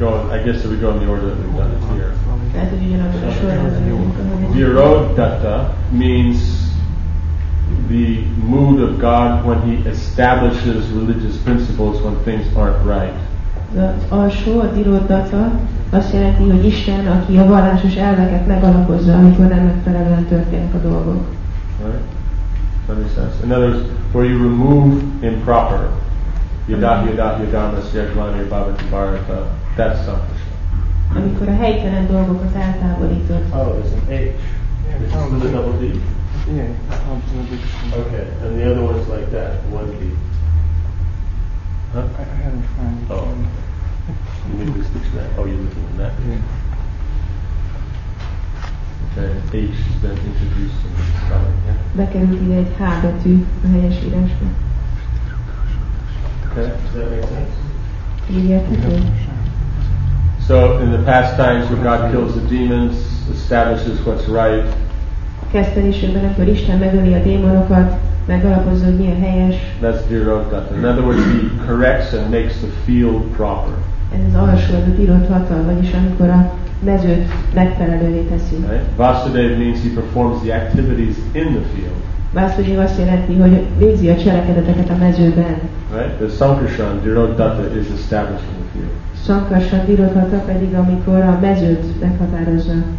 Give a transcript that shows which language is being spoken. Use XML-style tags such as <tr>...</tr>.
<en>I guess if we go in the order that we've done it here. Dhirodatta means the mood of God when he establishes religious principles when things aren't right.</en> <hu>Az alsó, a Dhirodatta azt jelenti, hogy Isten, aki a vallásos elveket megalapozza, amikor nem megfelelően történnek a dolgok.</hu> <en>Right? In other words, where you remove improper</en> <sa>yadahyadahyadamasyajvanirbhavatibharata,</sa> <en>that's something.</en> <hu>Amikor a helytelen dolgokat eltávolítod.</hu> <en>Oh, there's an H. Yeah, it's a double D. Yeah. Okay, and the other one's like that, one B. Huh? I haven't found it. Oh. You need this dictionary. Oh, you're looking at that. Yeah. Okay, H has been introduced in the spelling, yeah?</en> <hu>Bekerült ide egy H betű a helyes írásba.</hu> <en>Okay, does that make sense? Yeah. So, in the past times when God kills the demons, establishes what's right,</en> <hu>kesztelésében, akkor Isten megöli a démonokat, megalapozza, hogy mi a helyes.</hu> <en>That's Dhirodatta. In other words, he corrects and makes the field proper.</en> <hu>Ez az alsó, a Dhirodatta, vagyis amikor a mezőt megfelelővé teszi.</hu> <en>Right? Vasudev means he performs the activities in the field.</en> <hu>Vasudev azt jelenti, hogy végzi a cselekedeteket a mezőben.</hu> <en>Right? The Sankarsan, Dhirodatta is establishing the field.</en> <hu>Sankarsan, Dhirodatta pedig, amikor a mezőt meghatározza.</hu>